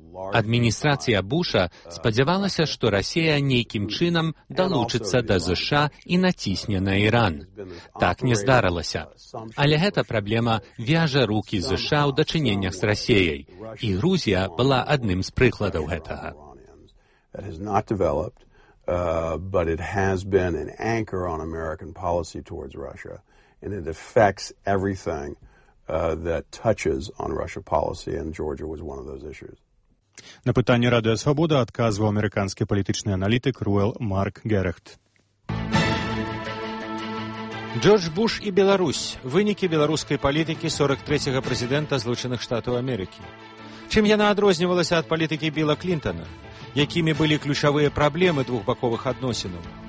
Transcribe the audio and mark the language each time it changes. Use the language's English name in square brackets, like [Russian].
[Belarusian] Адміністрацыя Буша спадзявалася, што Расія нейкім чынам далучыцца да США і націсне на Іран. Так не здарылася. Але гэта праблема вяжа рукі США ў дачыненнях з Расіяй, і Грузія была адным з прыкладаў гэтага. [English] But it has been an anchor on American policy towards Russia, and it affects everything that touches on Russia policy, and Georgia was one of those issues. [Belarusian] На пытанне Радыё Свабода адказваў амерыканскі палітычны аналітык Руэл Марк Герехт. Джордж Буш і Беларусь. Вынікі беларускай палітыкі 43-га прэзідэнта Злучаных Штатаў Амерыкі. Чым яна адрознівалася ад палітыкі Біла Клінтона? Якімі былі ключавыя праблемы двухбаковых адносінаў?